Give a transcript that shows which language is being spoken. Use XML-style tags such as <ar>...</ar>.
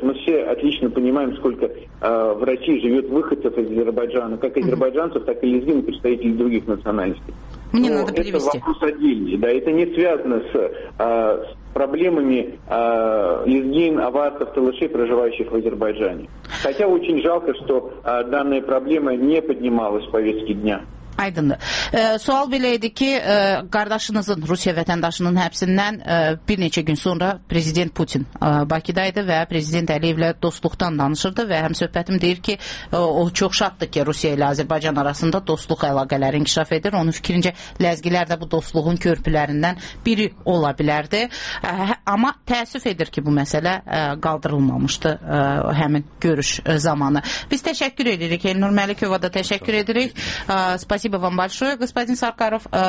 <ru>Мы все отлично понимаем, сколько в России живет выходцев из Азербайджана, как азербайджанцев, так и лезгин, представителей других национальностей. Мне но надо перевести. Это вопрос отдельный, да, это не связано с проблемами лезгин, аварцев, талышей, проживающих в Азербайджане. Хотя очень жалко, что данная проблема не поднималась в повестке дня.</ru> <az>Aydındır. Sual belə idi ki, qardaşınızın, Rusiya vətəndaşının həbsindən bir neçə gün sonra Prezident Putin Bakıdaydı və Prezident Əliyevlə dostluqdan danışırdı və həm söhbətim deyir ki, o çox şaddır ki, Rusiya ilə Azərbaycan arasında dostluq əlaqələri inkişaf edir. Onun fikrincə, ləzgilər də bu dostluğun körpülərindən biri ola bilərdi. Amma təəssüf edir ki, bu məsələ qaldırılmamışdı həmin görüş zamanı. Biz təşəkkür edirik. Elnur Məlikova da təşəkkür edirik.</az> <ru>Спасибо вам большое, господин Саркаров.</ru>